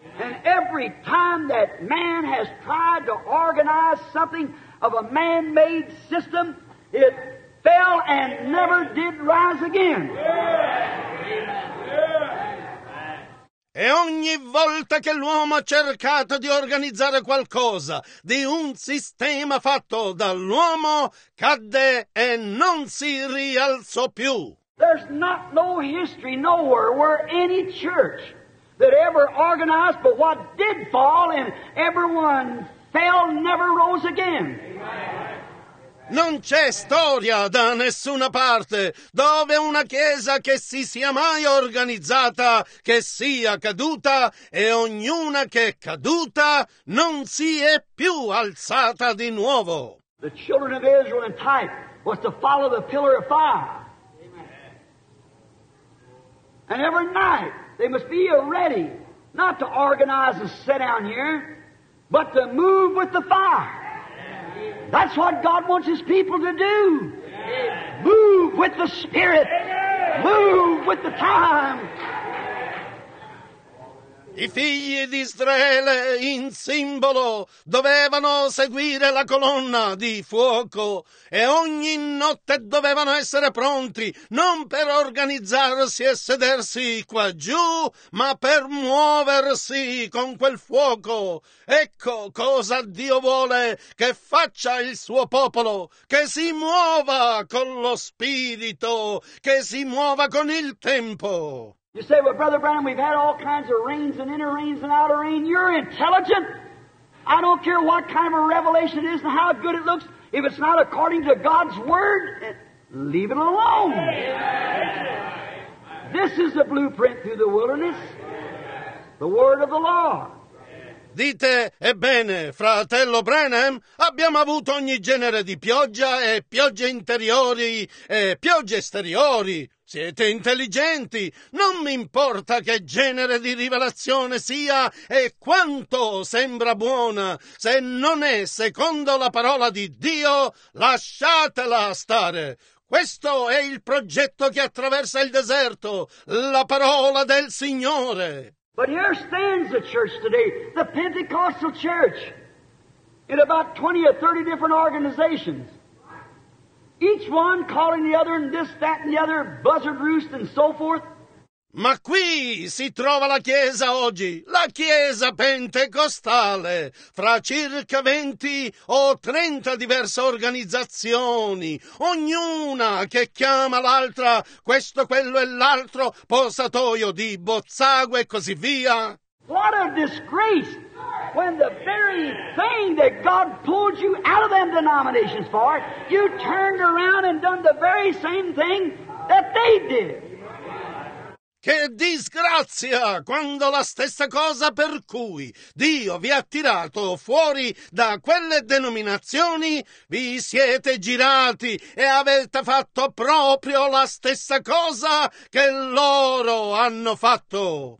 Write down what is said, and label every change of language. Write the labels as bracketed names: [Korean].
[English] And every time that man has tried to organize something of a man-made system, it fell and never did rise again. [Italian] E ogni volta che l'uomo ha cercato di organizzare qualcosa, di un sistema fatto dall'uomo, cadde e non si rialzò più. [English] There's not no history nowhere where any church that ever organized but what did fall and everyone fell never rose again. Amen. [Italian] Non c'è storia da nessuna parte dove una chiesa che si sia mai organizzata che sia caduta e ognuna che è caduta non si è più alzata di nuovo. [English] The children of Israel in type was to follow the pillar of fire. And every night they must be ready, not to organize and sit down here, but to move with the fire. That's what God wants His people to do. Move with the Spirit. Move with the time. [Italian] I figli di Israele in simbolo dovevano seguire la colonna di fuoco e ogni notte dovevano essere pronti non per organizzarsi e sedersi qua giù, ma per muoversi con quel fuoco. Ecco cosa Dio vuole che faccia il suo popolo, che si muova con lo Spirito, che si muova con il tempo. [English] You say, well, Brother Branham, we've had all kinds of rains and inner rains and outer rain. You're intelligent. I don't care what kind of a revelation it is and how good it looks. If it's not according to God's Word, leave it alone. Amen. This is the blueprint through the wilderness. The Word of the Lord. [Italian] Dite, ebbene, fratello Branham, abbiamo avuto ogni genere di pioggia e piogge interiori e piogge esteriori. Siete intelligenti, non mi importa che genere di rivelazione sia e quanto sembra buona, se non è secondo la parola di Dio, lasciatela stare. Questo è il progetto che attraversa il deserto, la parola del Signore. [English] But here stands the church today, the Pentecostal church, in about 20 or 30 different organizations. Each one calling the other and this, that and the other, buzzard roost and so forth. [Italian] Ma qui si trova la Chiesa oggi, la Chiesa Pentecostale, fra circa 20 o 30 diverse organizzazioni, ognuna che chiama l'altra questo, quello e l'altro, posatoio di bozzago e così via. [English] What a disgrace when the very thing that God pulled you out of them denominations for, you turned around and done the very same thing that they did. [Italian] Che disgrazia quando la stessa cosa per cui Dio vi ha tirato fuori da quelle denominazioni vi siete girati e avete fatto proprio la stessa cosa che loro hanno fatto.